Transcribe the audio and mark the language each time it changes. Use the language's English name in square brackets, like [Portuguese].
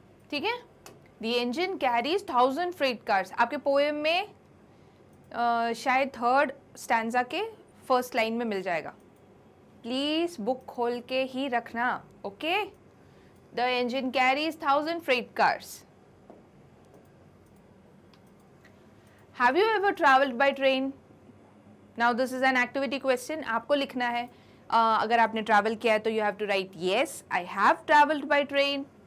[English] ठीक है, the engine carries 1000 freight cars. [Hindi] आपके poem में शायद third stanza के first line में मिल जाएगा. Please book खोल के ही रखना, okay? [English] The engine carries 1000 freight cars. Have you ever travelled by train? Now this is an activity question. [Hindi] आपको लिखना है. अगर आपने travel किया है तो [English] you have to write yes, I have travelled by train.